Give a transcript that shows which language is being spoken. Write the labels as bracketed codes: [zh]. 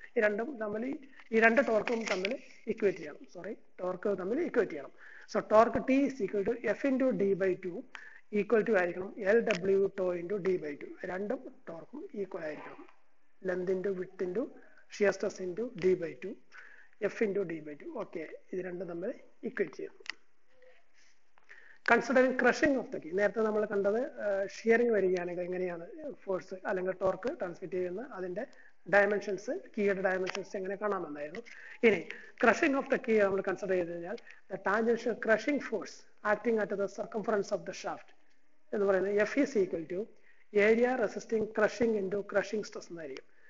[ml] ഈ രണ്ടും തമ്മിൽ, ഈ രണ്ട് ടോർക്കും തമ്മിൽ ഇക്വേറ്റ് ചെയ്യണം, സോറി ടോർക്ക് തമ്മിൽ ഇക്വേറ്റ് ചെയ്യണം. [en] So torque T is equal to F into D by two equal to ആയിരിക്കണം L W to into D by two. [ml] രണ്ടും ടോർക്കും ഈക്വൽ ആയിരിക്കണം. [en] length into width into shear stress into d by 2, f into d by 2. [ml] Okay, ഇത് രണ്ടും നമ്മൾ equate ചെയ്യുന്നു. [en] Considering crushing of the key, [ml] നേരത്തെ നമ്മൾ കണ്ടത് ഷിയറിംഗ് വരികയാണെങ്കിൽ എങ്ങനെയാണ് ഫോഴ്സ് അല്ലെങ്കിൽ ടോർക്ക് ട്രാൻസ്മിറ്റ് ചെയ്യുന്നത്, അതിന്റെ ഡയമെൻഷൻസ് കീയുടെ ഡയമെൻഷൻസ് എങ്ങനെ കാണാമെന്നായിരുന്നു. ഇനി ക്രഷിംഗ് ഓഫ് ദ കീ നമ്മൾ കൺസിഡർ ചെയ്ത് കഴിഞ്ഞാൽ [en] the tangential crushing force acting at the circumference of the shaft [ml] എന്ന് പറയുന്നത് [en] F is equal to area resisting crushing into crushing stress [ml] എന്നായിരിക്കും.